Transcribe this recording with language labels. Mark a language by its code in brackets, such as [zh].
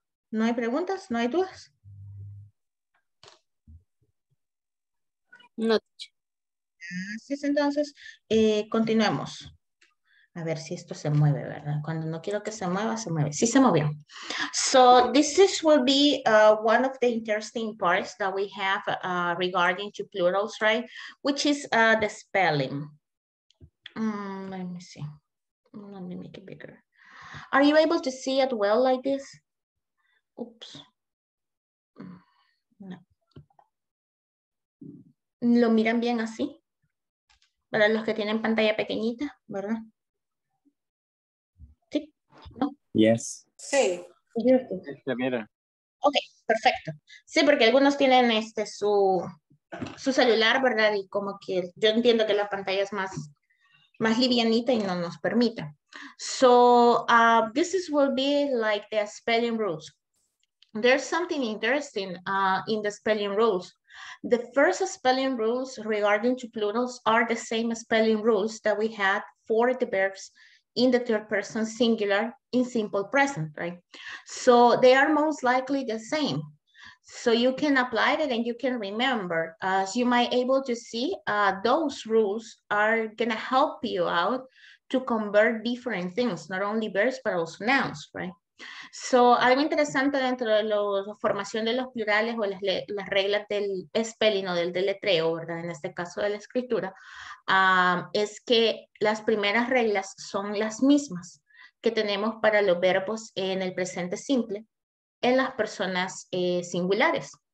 [es] ¿No hay preguntas? ¿No hay dudas? No. Gracias, entonces, continuemos. A ver si esto se mueve, ¿verdad? Cuando no quiero que se mueva, se mueve. Sí se movió. [en] So, this is, will be one of the interesting parts that we have regarding to plurals, right? Which is the spelling. Let me see. Let me make it bigger. Are you able to see it well like this? Oops. No. [es] ¿Lo miran bien así? Para los que tienen pantalla pequeñita, ¿verdad? [en] No. Yes. [es] Sí. Mira. Ok, perfecto. Sí, porque algunos tienen su celular, ¿verdad? Y como que yo entiendo que la pantalla es más livianita y no nos permite. [en] So, this is will be like the spelling rules. There's something interesting in the spelling rules. The first spelling rules regarding to plurals are the same spelling rules that we had for the verbs in the third person singular in simple present, right? So they are most likely the same. So you can apply it and you can remember, as you might able to see, those rules are gonna help you out to convert different things, not only verbs, but also nouns, right? [es] So algo interesante dentro de la formación de los plurales o las reglas del spelling o del deletreo, ¿verdad? En este caso de la escritura, es que las primeras reglas son las mismas que tenemos para los verbos en el presente simple en las personas singulares.